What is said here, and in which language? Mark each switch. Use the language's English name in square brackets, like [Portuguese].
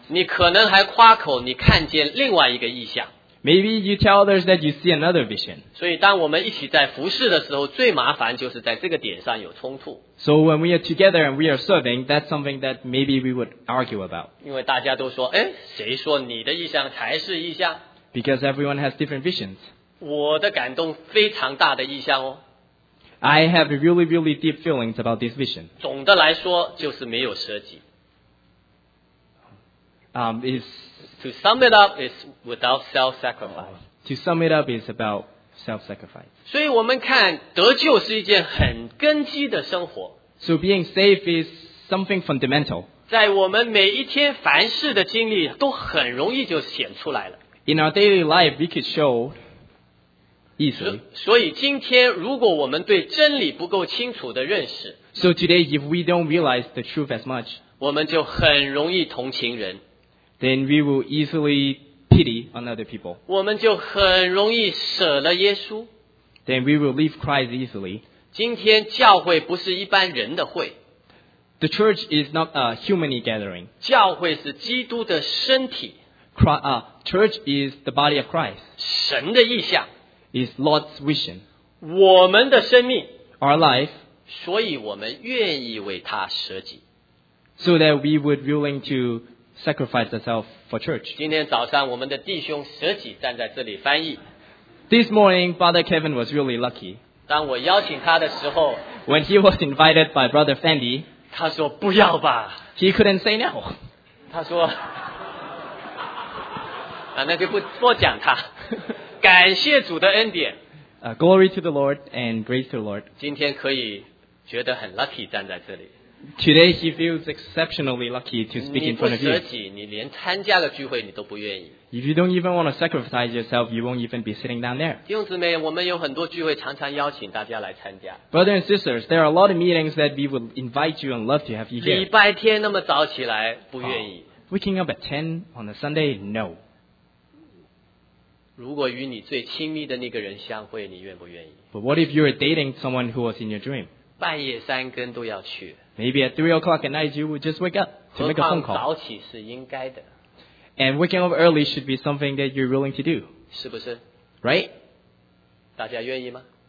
[Chinese] 你可能还夸口你看见另外一个意象。 [English] Maybe you tell others that you see another vision. [Chinese] 所以当我们一起在服事的时候，最麻烦就是在这个点上有冲突。 [English] So when we are together and we are serving, that's something that maybe we would argue about. [Chinese] 因为大家都说，哎，谁说你的意象才是意象？ [English] Because everyone has different visions. [Chinese] 我的感动非常大的意象哦。 [English] I have really, really deep feelings about this vision. [Chinese] 总的来说就是没有舍己。 [English] To sum it up, it's without self-sacrifice. To sum it up, it's about self-sacrifice. [Chinese] 所以我们看得救是一件很根基的生活。 [English] So being safe is something fundamental. [Chinese] 在我们每一天凡事的经历都很容易就显出来了。 [English] In our daily life, we could show... [Chinese] 所以今天如果我们对真理不够清楚的认识， [English] So today if we don't realize the truth as much, [Chinese] 我们就很容易同情人， [English] Then we will easily pity on other people, [Chinese] 我们就很容易舍了耶稣， [English] Then we will leave Christ easily. [Chinese] 今天教会不是一般人的会， [English] The church is not a human gathering. [Chinese] 教会是基督的身体， [English] Church is the body of Christ. [Chinese] 神的意象 [English] Is Lord's vision. [Chinese] 我们的生命 [English] Our life. [Chinese] 所以我们愿意为他舍己。 [English] So that we would be willing to sacrifice ourselves for church. [Chinese] 今天早上我们的弟兄舍己站在这里翻译。 [English] This morning, Brother Kevin was really lucky. [Chinese] 当我邀请他的时候 [English] When he was invited by Brother Fendi, [Chinese] 他说不要吧。 [English] He couldn't say no. [Chinese] 他说那就不讲他。感谢主的恩典。 [English] Glory to the Lord and grace to the Lord. [Chinese] 今天可以觉得很 lucky 站在这里。 [English] Today he feels exceptionally lucky to speak in front of you. [Chinese] 你不舍己，你连参加的聚会你都不愿意。 [English] If you don't even want to sacrifice yourself, you won't even be sitting down there. [Chinese] 弟兄姊妹，我们有很多聚会常常邀请大家来参加。 [English] Brothers and sisters, there are a lot of meetings that we would invite you and love to have you here. [Chinese] 礼拜天那么早起来不愿意。 [English] Waking up at 10 on a Sunday, no. [Chinese] 如果与你最亲密的那个人相会，你愿不愿意 [English] ？But what if you are dating someone who was in your dream？ [Chinese] 半夜三更都要去。 [English] Maybe at 3 o'clock at night you would just wake up to make a phone call。 [Chinese] 早起是应该的。 [English] And waking up early should be something that you're willing to do。 [Chinese] 是不是 [English] ？Right？ [Chinese] 大家愿意吗？